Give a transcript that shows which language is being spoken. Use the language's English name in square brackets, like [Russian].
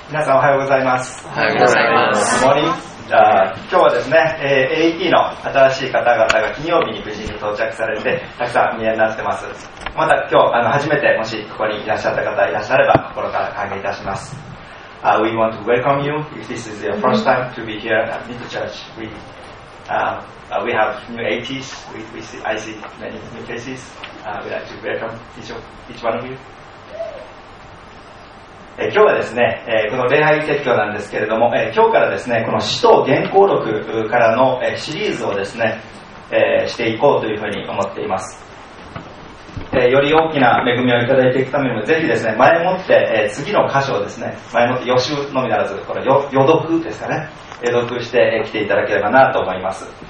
[Japanese] 皆さんおはようございます。おはようございます。森、じゃあ今日はですね、AP の新しい方々が金曜日に無事に到着されてたくさん見えになってます。また今日初めてもしここにいらっしゃった方いらっしゃれば心から歓迎いたします。 [English] We want to welcome you if this is your first time to be here at Mid Church. We have new APs. I see many new faces. We'd like to welcome each one of you. [Japanese] 今日はですね、この礼拝説教なんですけれども、今日からですね、この使徒言行録からのシリーズをですね、していこうというふうに思っています。より大きな恵みをいただいていくためにもぜひですね、前もって、次の箇所をですね、前もって予習のみならず、この予読ですかね、予読して、来ていただければなと思います。